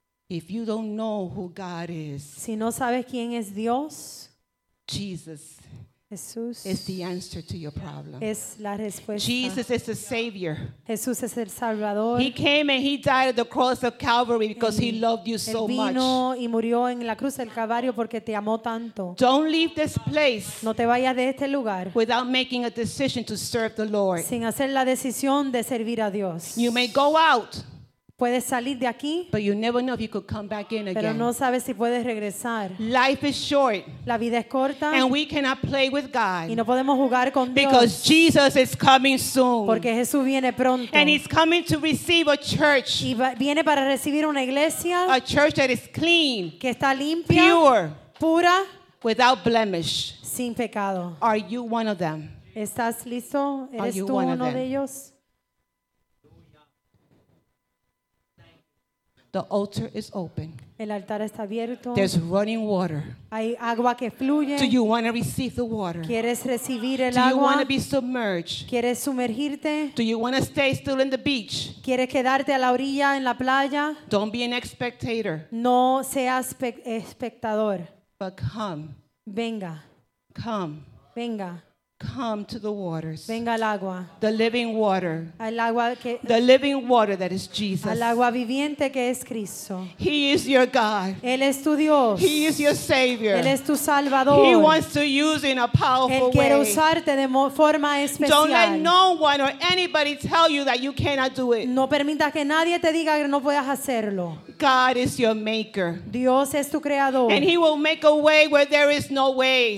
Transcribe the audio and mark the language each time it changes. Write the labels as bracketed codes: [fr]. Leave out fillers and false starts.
[en] If you don't know who God is. [es] Si no sabes quién es Dios. [en] Jesus. [es] Jesús [en] is the answer to your problem. [es] Es la respuesta. [en] Jesus is the Savior. [es] Jesús es el Salvador. [en] He came and He died at the cross of Calvary because [es] el, [en] He loved you so much. [es] Vino y murió en la cruz del Calvario porque te amó tanto. [en] Don't leave this place. [es] No te vayas de este lugar. [en] Without making a decision to serve the Lord. [es] Sin hacer la decisión de servir a Dios. [en] You may go out. [es] Puedes salir de aquí, [en] but you never know if you could come back in again. [es] Pero no sabes si puedes regresar. [en] Life is short. [es] La vida es corta. [en] And we cannot play with God. [es] Y no podemos jugar con [en] because [es] Dios. [en] Because Jesus is coming soon. [es] Porque Jesús viene pronto. [en] And He's coming to receive a church. [es] Y viene para recibir una iglesia. [en] A church that is clean. [es] Que está limpia. [en] Pure. [es] Pura. [en] Without blemish. [es] Sin pecado. [en] Are you one of them? [es] ¿Estás listo? ¿Eres tú uno de ellos? [en] The altar is open. [es] El altar está abierto. [en] There's running water. [es] Hay agua que fluye. [en] Do you want to receive the water? [es] ¿Quieres recibir el [en] Do [es] agua? [en] Do you want to be submerged? [es] ¿Quieres sumergirte? [en] Do you want to stay still in the beach? [es] ¿Quieres quedarte a la orilla en la playa? [en] Don't be an spectator. [es] No seas espectador. [en] But come. [es] Venga. [en] Come. [es] Venga. [en] Come to the waters. [es] Venga al agua. [en] The living water. [es] Al agua que, [en] the living water that is Jesus. [es] Al agua viviente que es Cristo. [en] He is your God. [es] Él es tu Dios. [en] He is your Savior. [es] Él es tu Salvador. [en] He wants to use you in a powerful [es] Él quiere [en] way. [es] Usarte de forma especial. [en] Don't let no one or anybody tell you that you cannot do it. [es] No permitas que nadie te diga que no puedas hacerlo. [en] God is your maker. [es] Dios es tu creador. [en] And he will make a way where there is no way.